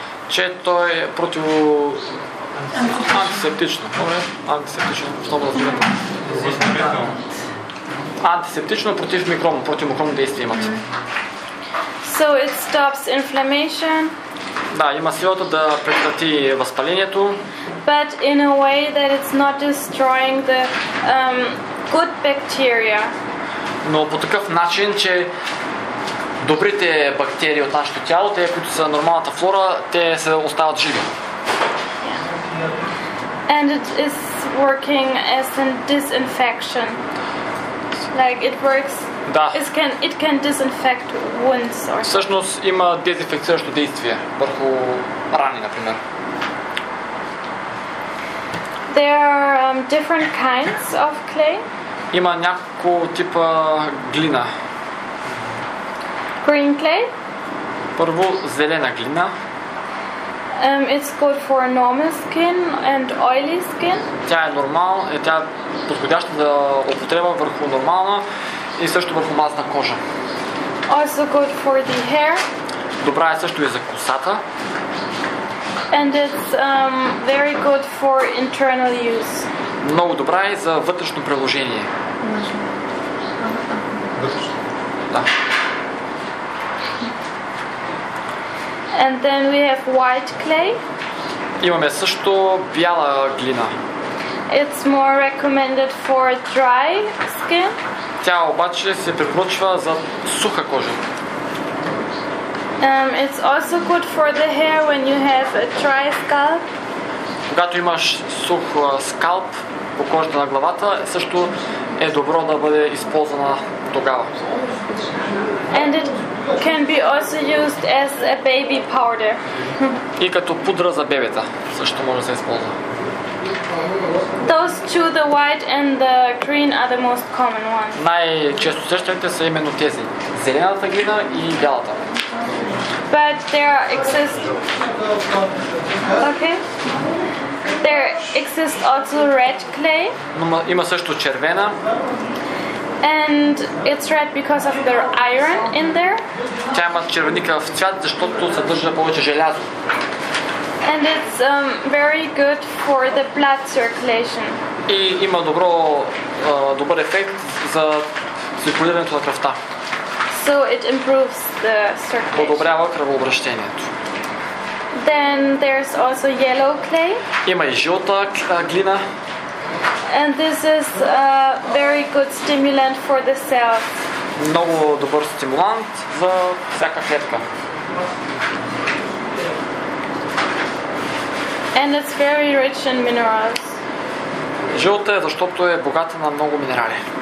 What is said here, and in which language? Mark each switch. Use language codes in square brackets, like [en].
[bg] Че той е против антисептично. Антисептично. Антисептично. Антисептично против микробно, против микробно действие имат. [en] So it stops inflammation. [bg] Да, има силата да прекрати възпалението. [en] But in a way that it's not destroying the good bacteria. [bg] Но по такъв начин, че добрите бактерии от нашето тяло, те, които са нормалната флора, те се остават живи. [en] Yeah. And it is working as a disinfection. Like it works. [bg] Да. [en] It can disinfect wounds or... [bg] Всъщност има дезинфекциращо действие върху рани, например. [en] There are different kinds of clay. [bg] Има някакво типа глина. [en] Green clay. [bg] Първо зелена глина. [en] It's good for normal skin and oily skin. [bg] Тя е нормална, тя е подходяща за употреба върху нормална и също върху мазна кожа. [en] Also good for the hair. [bg] Добра е също и за косата. [en] And it's very good for internal use. [bg] Много добра е за вътрешно приложение. Вътрешно. Да. [en] And then we have white clay. [bg] Имаме също бяла глина. [en] It's more recommended for dry skin. [bg] Тя обаче се препоръчва за суха кожа. [en] It's also good for the hair when you have a dry scalp. [bg] Когато имаш сух скалп по кожата на главата, също е добро да бъде използвана тогава. [en] And it can be also used as a baby powder. [bg] И като пудра за бебета също може да се използва. [en] Those two, the white and the green, are the most common ones. [bg] Най-често срещаните са именно тези. Зелената глина и бялата. [en] But there exist... Okay. There exist also red clay. [bg] Но има също червена. [en] And it's red because of the iron in there. [bg] Тя има червеника в цвят, защото съдържа повече желязо. [en] And it's very good for the blood circulation. [bg] И има добър ефект за циркулирането на кръвта. [en] So it improves the circulation. [bg] Подобрява кръвообращението. [en] Then there's also yellow clay. [bg] Има и жълта глина. [en] And this is a very good stimulant for the cells. [bg] Много добър стимулант за всяка клетка. [en] And it's very rich in minerals. [bg] Жълта е, защото е богата на много минерали.